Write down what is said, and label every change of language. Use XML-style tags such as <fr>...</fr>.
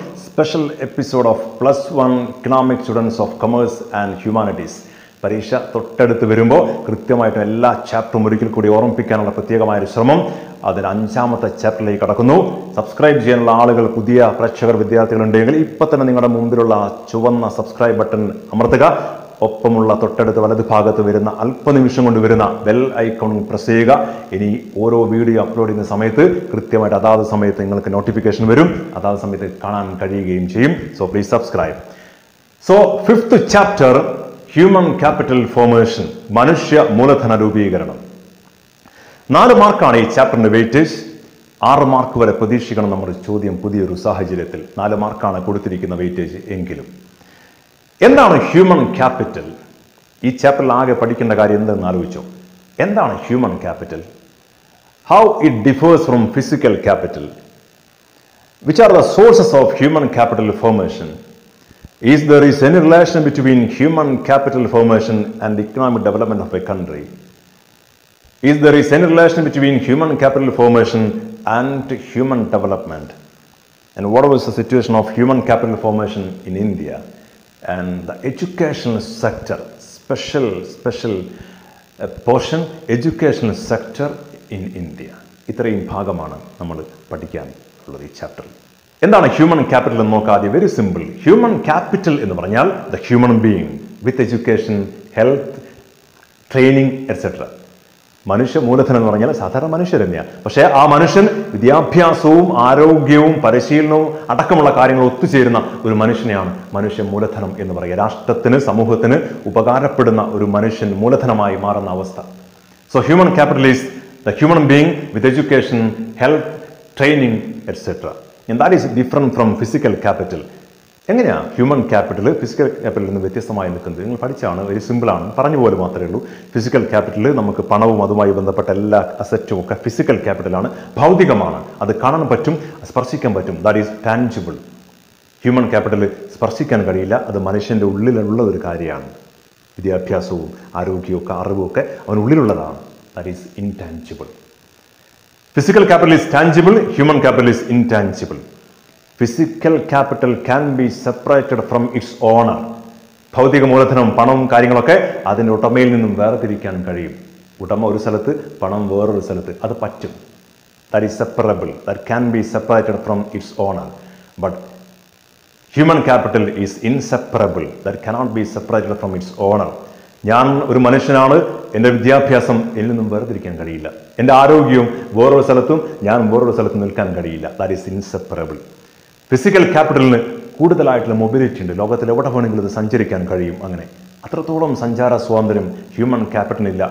<en>Special episode of plus one economic students of commerce and humanities.</en> <ml>പരീക്ഷ തൊട്ടടുത്ത് വരുമ്പോൾ കൃത്യമായിട്ടും എല്ലാ ചാപ്റ്ററും ഒരിക്കൽ കൂടി ഓർമ്മിപ്പിക്കാനുള്ള പ്രത്യേകമായ ഒരു ശ്രമം അതിൽ അഞ്ചാമത്തെ ചാപ്റ്ററിലേക്ക് കടക്കുന്നു. സബ്സ്ക്രൈബ് ചെയ്യാനുള്ള ആളുകൾ, പുതിയ പ്രേക്ഷകർ, വിദ്യാർത്ഥികളുണ്ടെങ്കിൽ ഇപ്പം തന്നെ നിങ്ങളുടെ മുമ്പിലുള്ള ചുവന്ന സബ്സ്ക്രൈബ് ബട്ടൺ അമർത്തുക. ഒപ്പമുള്ള തൊട്ടടുത്ത് വലത് ഭാഗത്ത് വരുന്ന അല്പനിമിഷം കൊണ്ട് വരുന്ന ബെൽ ഐക്കണും പ്രസ് ചെയ്യുക. ഇനി ഓരോ വീഡിയോ അപ്ലോഡ് ചെയ്യുന്ന സമയത്ത് കൃത്യമായിട്ട് അതാത് സമയത്ത് നിങ്ങൾക്ക് നോട്ടിഫിക്കേഷൻ വരും, അതാത് സമയത്ത് കാണാൻ കഴിയുകയും ചെയ്യും.</ml> <en>So please subscribe. So fifth chapter, human capital formation,</en> <ml>മനുഷ്യ മൂലധന രൂപീകരണം. 4 മാർക്കാണ് ഈ ചാപ്റ്ററിൻ്റെ വെയിറ്റേജ്. 6 മാർക്ക് വരെ പ്രതീക്ഷിക്കണം നമ്മുടെ ചോദ്യം പുതിയൊരു സാഹചര്യത്തിൽ. 4 മാർക്കാണ് കൊടുത്തിരിക്കുന്ന വെയിറ്റേജ് എങ്കിലും. എന്താണ് ഹ്യൂമൻ ക്യാപിറ്റൽ? ഈ ചാപ്റ്ററിൽ ആകെ പഠിക്കേണ്ട കാര്യം എന്തെന്ന് ആലോചിച്ചോ. എന്താണ് human capital?</ml> <en>How it differs from physical capital? Which are the sources of human capital formation? Is there is any relation between human capital formation and economic development of a country? Is there is any relation between human capital formation and human development? And what was the situation of human capital formation in India? And the educational sector, special portion, educational sector in India.</en> <ml>ഇത്രയും ഭാഗമാണ് നമ്മൾ പഠിക്കാൻ ഉള്ളത് ഈ ചാപ്റ്ററിൽ. എന്താണ്</ml> <en>human capital</en> <ml>എന്ന് നോക്കാം ആദ്യം.</ml> <en>very simple, human capital</en> <ml>എന്ന് പറഞ്ഞാൽ</ml> <en>The human being with education, health, training etcetera.</en> <ml>മനുഷ്യ മൂലധനം എന്ന് പറഞ്ഞാൽ സാധാരണ മനുഷ്യർ തന്നെയാണ്. പക്ഷേ ആ മനുഷ്യൻ വിദ്യാഭ്യാസവും ആരോഗ്യവും പരിശീലനവും അടക്കമുള്ള കാര്യങ്ങൾ ഒത്തുചേരുന്ന ഒരു മനുഷ്യനെയാണ് മനുഷ്യ മൂലധനം എന്ന് പറയുക. രാഷ്ട്രത്തിന്, സമൂഹത്തിന് ഉപകാരപ്പെടുന്ന ഒരു മനുഷ്യൻ മൂലധനമായി മാറുന്ന അവസ്ഥ.</ml> <en>So human capital is the human being with education, health, training etcetera. And that is different from physical capital.</en> <ml>എങ്ങനെയാ ഹ്യൂമൻ ക്യാപിറ്റൽ ഫിസിക്കൽ ക്യാപിറ്റലിൽ നിന്ന് വ്യത്യസ്തമായി നിൽക്കുന്നത്? നിങ്ങൾ പഠിച്ചാണ്,</ml> <en>very സിമ്പിളാണ്,</en> <ml>പറഞ്ഞു പോലെ മാത്രമേ ഉള്ളൂ. ഫിസിക്കൽ ക്യാപിറ്റൽ നമുക്ക് പണവും അതുമായി ബന്ധപ്പെട്ട എല്ലാ അസറ്റും ഒക്കെ ഫിസിക്കൽ ക്യാപിറ്റലാണ്, ഭൗതികമാണ്, അത് കാണാൻ പറ്റും, സ്പർശിക്കാൻ പറ്റും.</ml> <en>That is tangible.</en> <ml>Human capital സ്പർശിക്കാൻ കഴിയില്ല, അത് മനുഷ്യൻ്റെ ഉള്ളിലുള്ള ഒരു കാര്യമാണ്. വിദ്യാഭ്യാസവും ആരോഗ്യവും അറിവുമൊക്കെ അവനുള്ളിലുള്ളതാണ്.</ml> <en>That is intangible. Physical capital is tangible, human capital is intangible. Physical capital can be separated from its owner.</en> <ml>ഭൗതിക മൂലധനം, പണവും കാര്യങ്ങളൊക്കെ അതിൻ്റെ ഉടമയിൽ നിന്നും വേർതിരിക്കാൻ കഴിയും. ഉടമ ഒരു സ്ഥലത്ത്, പണം വേറൊരു സ്ഥലത്ത്, അത് പറ്റും.</ml> <en>That is separable, that can be separated from its owner. But human capital is inseparable, that cannot be separated from its owner.</en> <ml>ഞാൻ ഒരു മനുഷ്യനാണ്, എൻ്റെ വിദ്യാഭ്യാസം എന്നിൽ നിന്നും വേർതിരിക്കാൻ കഴിയില്ല. എൻ്റെ ആരോഗ്യവും വേറൊരു സ്ഥലത്തും ഞാൻ വേറൊരു സ്ഥലത്തും നിൽക്കാൻ കഴിയില്ല.</ml> <en>That is inseparable.</en> <ml>ഫിസിക്കൽ ക്യാപിറ്റലിന് കൂടുതലായിട്ടുള്ള മൊബിലിറ്റി ഉണ്ട്, ലോകത്തിൽ എവിടെ വേണമെങ്കിലും അത് സഞ്ചരിക്കാൻ കഴിയും. അങ്ങനെ അത്രത്തോളം സഞ്ചാര സ്വാതന്ത്ര്യം ഹ്യൂമൻ ക്യാപിറ്റലില്ല.</ml>